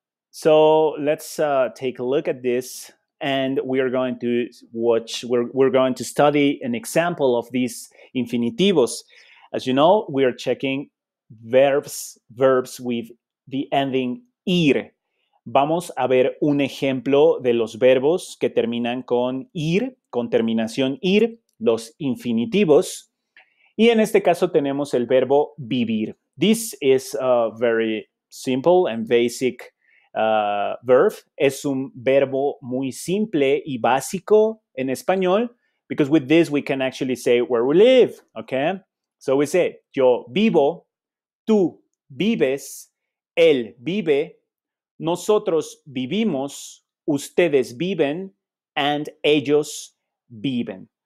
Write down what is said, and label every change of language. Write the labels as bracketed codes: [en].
[en] So let's take a look at this, and we are going to watch. We're going to study an example of these infinitivos. As you know, we are checking verbs with the ending ir. [es] Vamos a ver un ejemplo de los verbos que terminan con ir, con terminación ir, los infinitivos. Y en este caso tenemos el verbo vivir. [en] This is a very simple and basic verb. [es] Es un verbo muy simple y básico en español, [en] because with this we can actually say where we live, okay? So we say [es] yo vivo, tú vives, él vive, nosotros vivimos, ustedes viven, and ellos viven.